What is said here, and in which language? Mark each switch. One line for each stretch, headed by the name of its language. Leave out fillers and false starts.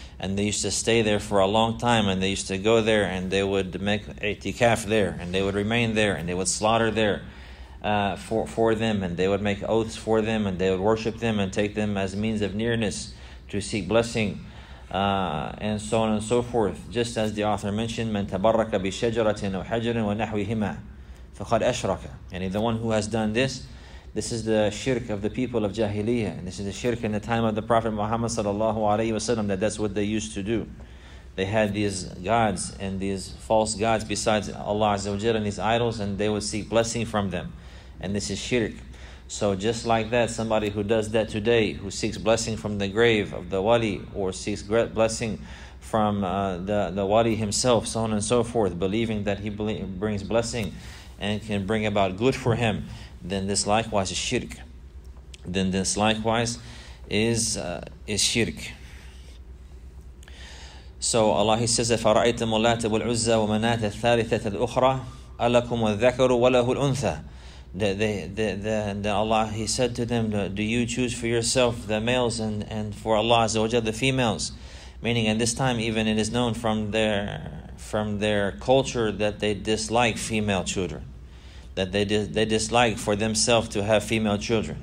English: And they used to stay there for a long time, and they used to go there, and they would make itikaf there, and they would remain there, and they would slaughter there for them, and they would make oaths for them, and they would worship them and take them as means of nearness to seek blessing, and so on and so forth. Just as the author mentioned,
Arabic: مَن تَبَرَّكَ بِشَجَرَةٍ وَحَجَرٍ وَنَحْوِهِمَا فَقَدْ أَشْرَكَ.
English: And the one who has done this, this is the shirk of the people of Jahiliyyah, and this is the shirk in the time of the Prophet Muhammad sallallahu alayhi wasallam, that that's what they used to do. They had these gods and these false gods besides Allah Azza wa Jalla and these idols, and they would seek blessing from them. And this is shirk. So just like that, somebody who does that today, who seeks blessing from the grave of the wali, or seeks blessing from the wali himself, so on and so forth, believing that he brings blessing and can bring about good for him, then this likewise is shirk. Then this likewise is shirk. So Allah, he says,
Arabic: أَفَرَأَيْتُمُ اللَّاتَ وَالْعُزَّى وَمَنَاتَ الثَّالِثَةَ الْأُخْرَى أَلَكُمُ الذَّكَرُ وَلَهُ الْأُنْثَى.
English: The Allah, he said to them, "Do you choose for yourself the males and for Allah Azza wa Jalla the females?" Meaning, at this time, even it is known from their culture that they dislike female children, that they dislike for themselves to have female children.